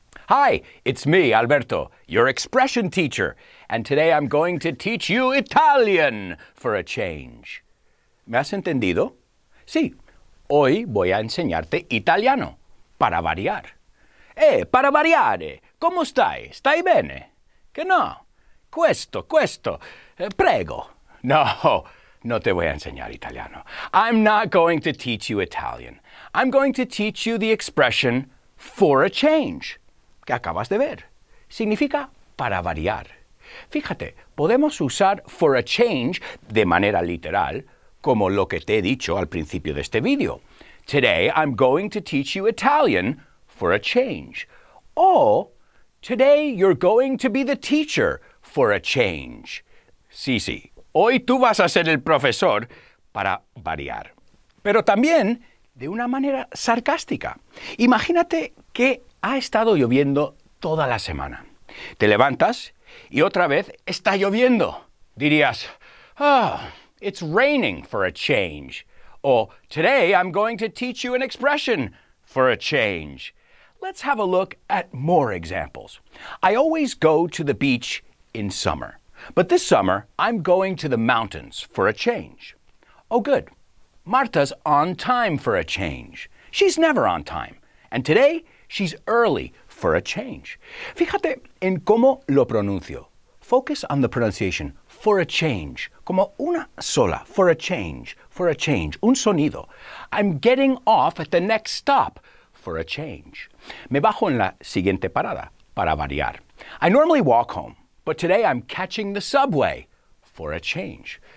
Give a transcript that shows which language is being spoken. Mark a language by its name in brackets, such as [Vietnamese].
[English] Hi, it's me, Alberto, your expression teacher, and today I'm going to teach you Italian for a change. [Spanish] ¿Me has entendido? Sí, hoy voy a enseñarte italiano, para variar. [Italian] Para variare, ¿cómo stai? ¿Stai bene? [Spanish] ¿Qué no? [Italian] Questo, prego. [Spanish] No, no te voy a enseñar italiano. [English] I'm not going to teach you Italian. I'm going to teach you the expression for a change. [Spanish] Que acabas de ver. Significa para variar. Fíjate, podemos usar for a change de manera literal, como lo que te he dicho al principio de este vídeo. [English] Today I'm going to teach you Italian for a change. O, today you're going to be the teacher for a change. [Spanish] Sí, sí, hoy tú vas a ser el profesor para variar. Pero también de una manera sarcástica. Imagínate que ha estado lloviendo toda la semana. Te levantas y otra vez está lloviendo. Dirías, [English] ah, oh, it's raining for a change. O, today I'm going to teach you an expression for a change. Let's have a look at more examples. I always go to the beach in summer. But this summer, I'm going to the mountains for a change. Oh, good. Marta's on time for a change. She's never on time. And today, she's early for a change. [Spanish] Fíjate en cómo lo pronuncio. [English] Focus on the pronunciation for a change. [Spanish] Como una sola, for a change, un sonido. [English] I'm getting off at the next stop for a change. [Spanish] Me bajo en la siguiente parada, para variar. [English] I normally walk home, but today I'm catching the subway for a change.